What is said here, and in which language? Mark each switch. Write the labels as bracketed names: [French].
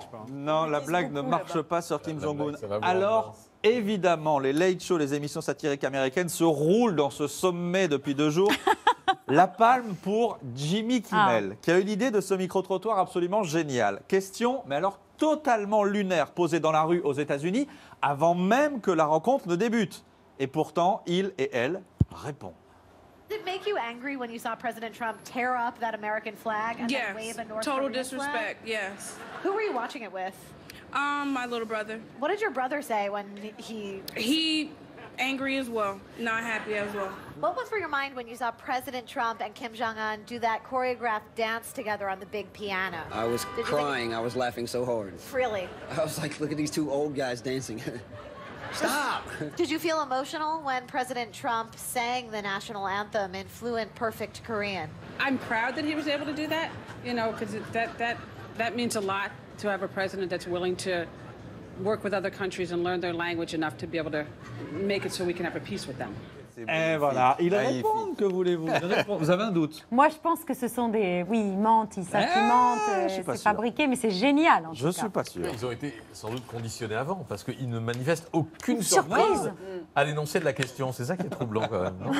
[French] Non, la blague ne marche pas sur Kim Jong-un. Alors, évidemment, les late shows, les émissions satiriques américaines se roulent dans ce sommet depuis deux jours. La palme pour Jimmy Kimmel, qui a eu l'idée de ce micro-trottoir absolument génial. Question, mais alors totalement lunaire, posée dans la rue aux États-Unis, avant même que la rencontre ne débute. Et pourtant, il et elle répondent. [English] Did it make you angry when you saw President Trump tear up that American flag and yes. wave a North Korean flag? Yes, total disrespect, yes. Who were you watching it with? My little brother. What did your brother say when he... He angry as well, not happy as well. What went through your mind when you saw President Trump and Kim Jong-un do that choreographed dance together on the big piano? I was did crying, think... I was laughing so hard. Really? I was like, look at these two old guys dancing. Stop! Did you feel emotional when President Trump sang the national anthem in fluent, perfect Korean? I'm proud that he was able to do that, you know, because that means a lot to have a president that's willing to work with other countries and learn their language enough to be able to make it so we can have a peace with them. [French] Et voilà, il répond, que voulez-vous? Vous avez un doute? Moi, je pense que ce sont des... Oui, ils mentent, ils savent qu'ils mentent, c'est fabriqué, mais c'est génial, en tout cas. Je ne suis pas sûr. Ils ont été sans doute conditionnés avant, parce qu'ils ne manifestent aucune surprise à l'énoncé de la question. C'est ça qui est troublant, quand même.